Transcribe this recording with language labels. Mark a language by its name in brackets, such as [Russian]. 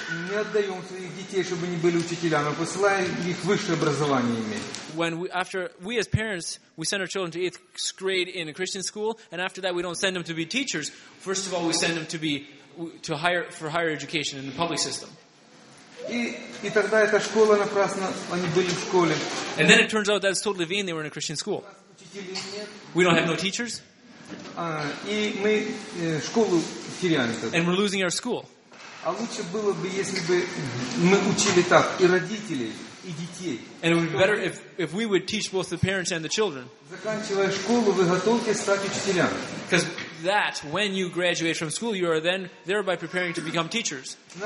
[Russian] Не отдаем своих детей, чтобы они были учителя, мы посылаем их высшее образование иметь. [English] When we as parents, we send our children to 8th grade in a Christian school, and after that we don't send them to be teachers. First of all, we send them for higher education in the public system. [Russian] И тогда эта школа напрасно, они были в школе. [English] And then it turns out that's totally vain, they were in a Christian school. We don't have no teachers. [Russian] И мы школу теряем. [English] And we're losing our school. [Russian] А лучше было бы, если бы мы учили так, и родителей, и детей. [English] And it would be better if we would teach both the parents and the children. [Russian] Заканчивая школу, вы готовьтесь стать учителями. [English] Because that, when you graduate from school, you are then thereby preparing to become teachers.